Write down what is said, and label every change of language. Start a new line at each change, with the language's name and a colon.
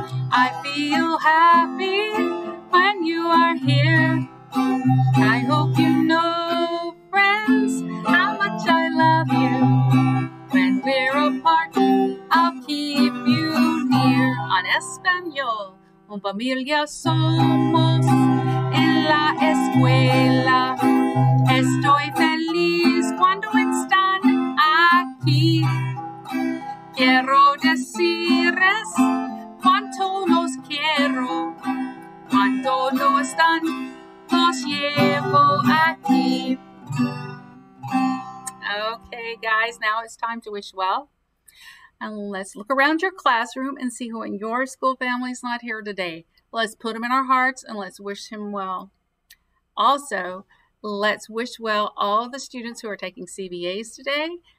English: I feel happy when you are here. I hope you know, friends, how much I love you. When we're apart, I'll keep you near.
Spanish: En español. Un familia somos en la escuela. Estoy feliz cuando están aquí. Quiero decirles cuánto los quiero. Cuando no están, los llevo aquí.
English: Okay, guys, now it's time to wish well. And let's look around your classroom and see who in your school family is not here today. Let's put him in our hearts and let's wish him well. Also, let's wish well all the students who are taking CBAs today.